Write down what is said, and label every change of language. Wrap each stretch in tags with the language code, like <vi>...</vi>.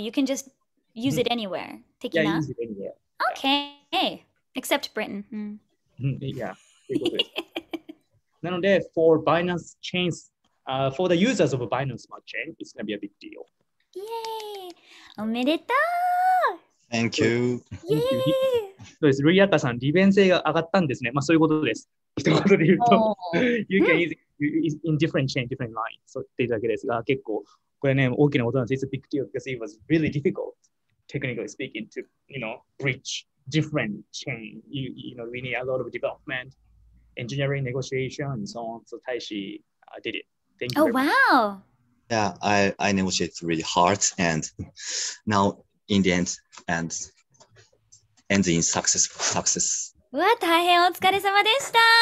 <en>You can just use it anywhere. Take it out. Yeah, use it anywhere. Okay. Hey. Except Britain. Mm. Yeah.</en> <ja>なので,</ja> <en>for Binance chains, for the users of a Binance Smart Chain, it's going to be a big deal.</en> <ja>Yay! おめでとう!</ja> <en>Thank you. Yay!</en> <ja>そうです。ルイアカさん、利便性が上がったんですね。まあ、そういうことです。一言で言うと、</ja> <en>you can use it in different chain, different lines.</en> <ja>そう言っていただけですが、結構、これね、大きなことなんです。</ja> <en>It's a big deal because it was really difficult, technically speaking, to, you know, bridge. Different chain, you know, we need a lot of development, engineering, negotiation, and so on. So Taishi did it. Thank you. Oh, wow. Yeah, I negotiated really hard, and now in the end, and ending in success.</en> <ja>わ、大変お疲れ様でした。</ja>